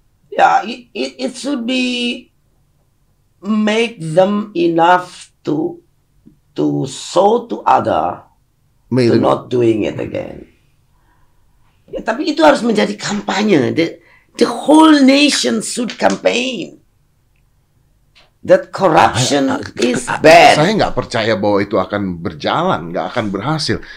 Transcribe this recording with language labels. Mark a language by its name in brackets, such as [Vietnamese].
[English] Yeah, it should be make them enough to show to other to not doing it again. [Indonesian] Ya, tapi itu harus menjadi kampanye. [English] The whole nation should campaign that corruption is bad. [Indonesian] Saya nggak percaya bahwa itu akan berjalan, nggak akan berhasil.